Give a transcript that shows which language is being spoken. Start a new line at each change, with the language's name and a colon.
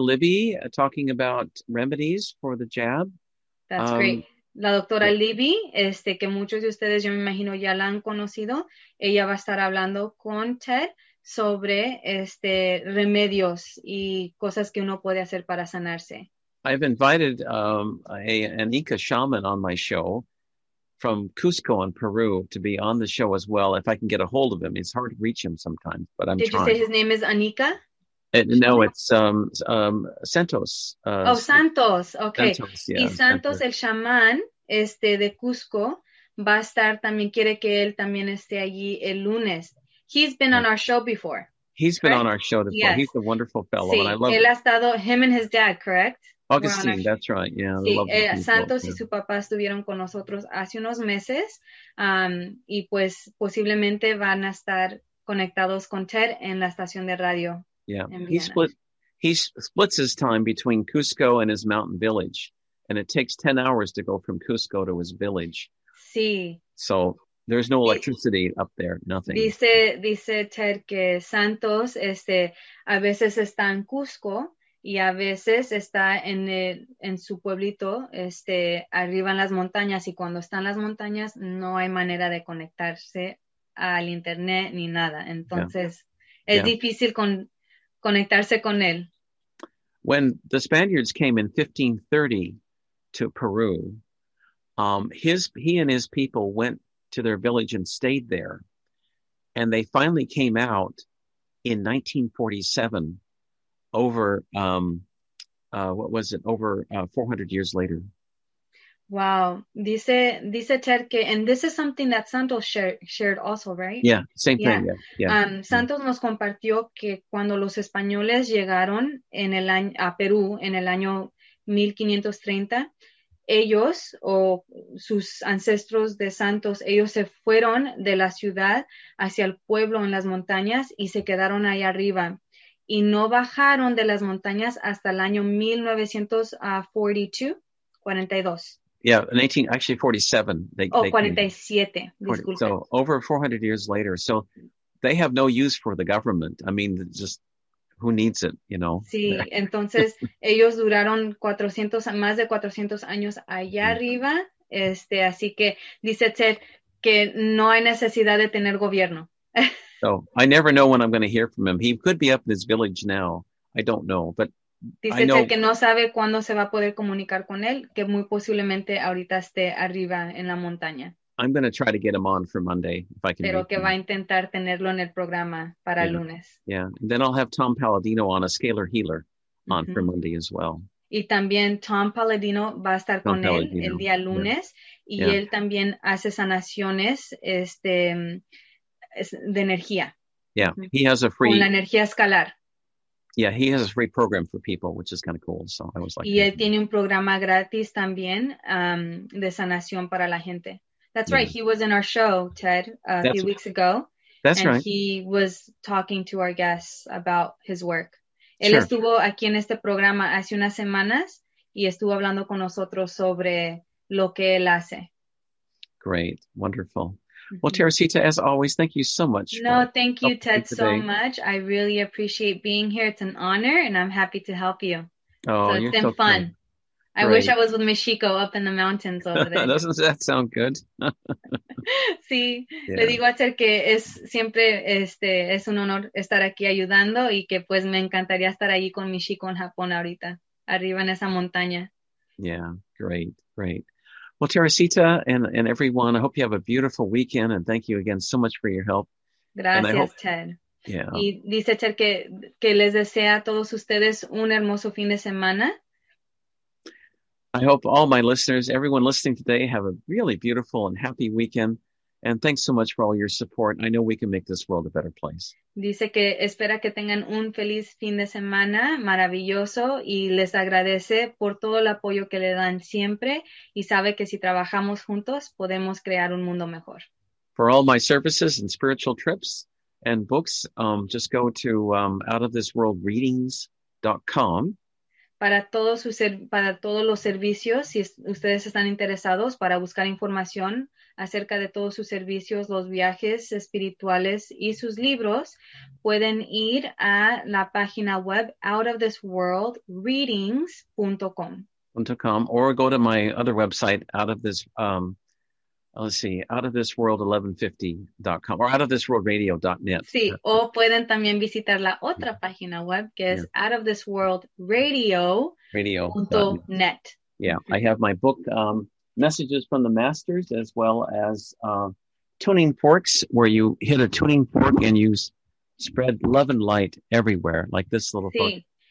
English: Libby talking about remedies for the jab. That's great.
Spanish: La doctora Libby, que muchos de ustedes yo me imagino ya la han conocido, ella va a estar hablando con Ted sobre remedios y cosas que uno puede hacer para sanarse.
English: I've invited an Inca shaman on my show from Cusco in Peru to be on the show as well, if I can get a hold of him. It's hard to reach him sometimes, but I'm Did trying. Did you say his name is Anika? No, it's Santos. Santos, okay.
Spanish: Santos, yeah. Y Santos, el chamán de Cusco, va a estar también, quiere que él también esté allí el lunes.
English: He's been on our show before. He's been on our show before. Yes. He's a wonderful fellow,
Spanish: sí,
English: and I love
Spanish: él ha estado,
English: him and his dad, correct? Augustine, our, that's right, yeah.
Spanish: Sí, Santos y su papá estuvieron con nosotros hace unos meses, y pues posiblemente van a estar conectados con Ted en la estación de radio.
English: Yeah, he splits his time between Cusco and his mountain village, and it takes 10 hours to go from Cusco to his village.
Spanish: Sí.
English: So there's no electricity up there, nothing.
Spanish: Dice Ted que Santos a veces está en Cusco y a veces está en su pueblito arriba en las montañas, y cuando está en las montañas no hay manera de conectarse al internet ni nada. Entonces es difícil conectarse con él.
English: When the Spaniards came in 1530 to Peru, he and his people went to their village and stayed there. And they finally came out in 1947 over 400 years later. Wow.
Spanish: Dice Ted que,
English: and this is something that Santos shared also, right? Yeah, same thing. Yeah.
Spanish: Santos nos compartió que cuando los españoles llegaron a Perú en el año 1530, ellos o sus ancestros de Santos, ellos se fueron de la ciudad hacia el pueblo en las montañas y se quedaron ahí arriba. Y no bajaron de las montañas hasta el año 1942.
English: Yeah, in 47.
Spanish: Disculpe.
English: So over 400 years later. So they have no use for the government. I mean, just who needs it, you know?
Spanish: Sí, entonces ellos duraron más de 400 años allá arriba. Así que dice Ted que no hay necesidad de tener gobierno.
English: So I never know when I'm going to hear from him. He could be up in his village now. I don't know, but
Spanish: dice Ted que no sabe cuándo se va a poder comunicar con él, que muy posiblemente ahorita esté arriba en la montaña.
English: I'm going to try to get him on for Monday if I can.
Spanish: Pero que
English: him.
Spanish: Va a intentar tenerlo en el programa para el lunes.
English: Yeah, and then I'll have Tom Palladino on, a scalar healer, on for Monday as well.
Spanish: Y también Tom Palladino va a estar con él el día lunes, y él también hace sanaciones de energía.
English: Yeah, he has a free.
Spanish: Con la energía escalar.
English: Yeah, he has a free program for people, which is kind of cool. So I was like,
Spanish: y él tiene un programa gratis también de sanación para la gente.
English: That's right. He was in our show, Ted, a few weeks ago. That's right. And he was talking to our guests about his work. Él estuvo aquí en este programa hace unas semanas y estuvo hablando con nosotros sobre lo que él hace. Great. Wonderful. Well, Teresita, as always, thank you so much. No, thank you, Ted, so much. I really appreciate being here. It's an honor, and I'm happy to help you. Oh, it's been fun. I great. Wish I was with Mexico up in the mountains over there. Doesn't that sound good?
Spanish: Sí, yeah. Le digo a Ter que es siempre este es un honor estar aquí ayudando y que pues me encantaría estar allí con Mexico en Japón ahorita, arriba en esa montaña.
English: Yeah, great, great. Well, Teresita and everyone, I hope you have a beautiful weekend and thank you again so much for your help.
Spanish: Gracias, Ter.
English: Yeah.
Spanish: Y dice Ter que les desea a todos ustedes un hermoso fin de semana.
English: I hope all my listeners, everyone listening today, have a really beautiful and happy weekend. And thanks so much for all your support. I know we can make this world a better place.
Spanish: Dice que espera que tengan un feliz fin de semana maravilloso y les agradece por todo el apoyo que le dan siempre y sabe que si trabajamos juntos podemos crear un mundo mejor.
English: For all my services and spiritual trips and books, just go to outofthisworldreadings.com.
Spanish: Para todos los servicios, si ustedes están interesados para buscar información acerca de todos sus servicios, los viajes espirituales y sus libros, pueden ir a la página web outofthisworldreadings.com.
English: .com or go to my other website outofthisworld1150.com or outofthisworldradio.net.
Spanish: Sí, o pueden también visitar la otra página web que es outofthisworldradio.net.
English: Yeah, I have my book, Messages from the Masters, as well as Tuning Forks, where you hit a tuning fork and you spread love and light everywhere, like this little fork.